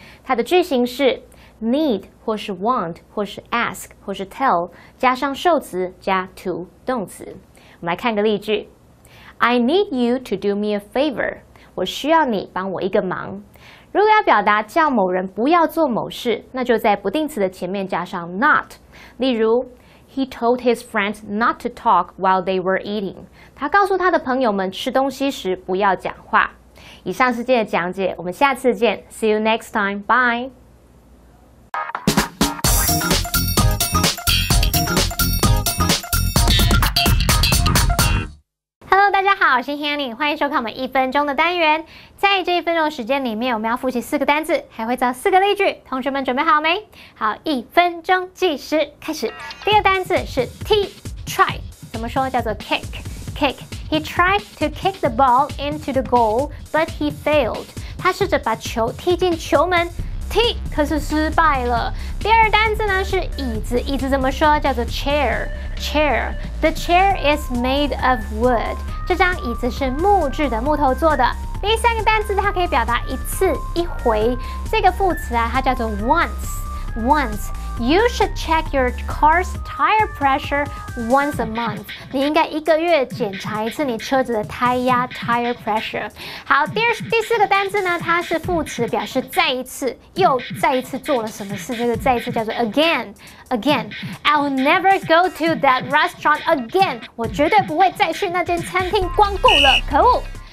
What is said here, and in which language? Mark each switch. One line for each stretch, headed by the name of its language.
Chinese: 它的句型是 need 或是 want 或是 ask 或是 tell 加上受词加 to 动词。我们来看个例句
English: ：I need you to do me a favor。
Chinese: 我需要你帮我一个忙。如果要表达叫某人不要做某事，那就在不定词的前面加上 not。例如
English: ，He told his friends not to talk while they were eating。
Chinese: 他告诉他的朋友们吃东西时不要讲话。以上是今天的讲解，我们下次见 ，
English: See you next time， bye。
Chinese: Hello， 大家好，我是 Hanny， 欢迎收看我们一分钟的单元。在这一分钟的时间里面，我们要复习四个单字，还会造四个例句。同学们准备好没？好，一分钟计时开始。第一个单字是 try， 怎么说？叫做 kick。
English: He tried to kick the ball into the goal, but he failed.
Chinese: 他试着把球踢进球门 ，踢， 可是失败了。第二单字呢是椅子，椅子怎么说？叫做
English: chair。The chair is made of wood.
Chinese: 这张椅子是木质的，木头做的。第三个单字它可以表达一次、一回。这个副词啊，它叫做 once。
English: Once, you should check your car's tire pressure once a month.
Chinese: 你应该一个月检查一次你车子的胎压
English: tire pressure.
Chinese: 好，第四个单字呢，它是副词，表示再一次，又再一次做了什么事。这个再一次叫做
English: again, again. I'll never go to that restaurant again.
Chinese: 我绝对不会再去那间餐厅光顾了。可恶。